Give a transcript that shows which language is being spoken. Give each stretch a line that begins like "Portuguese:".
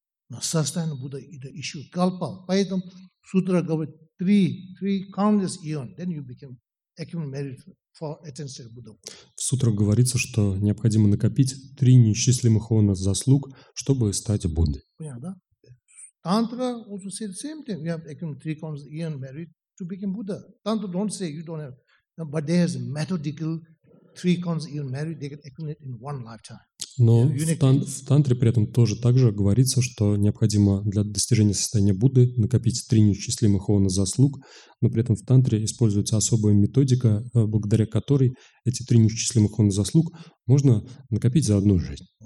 Russian: На состояние Будда это еще калпа. Поэтому сутра говорит
English: three countless eons, then you become accumulated for attention Buddha.
Russian: В сутрах говорится, что необходимо накопить 3 неисчислимых иона заслуг, чтобы стать Буддой. Понятно, да?
English: Тантра also said the same thing. You have accumulated 3 countless eons merit to become Buddha. Tantra don't say you don't have, but there's a methodical 3 countless eons merit they can accumulate in one lifetime.
Russian: Но в тантре при этом тоже также говорится, что необходимо для достижения состояния Будды накопить 3 неисчислимых иона заслуг, но при этом в тантре используется особая методика, благодаря которой эти 3 неисчислимых иона заслуг можно накопить за одну жизнь.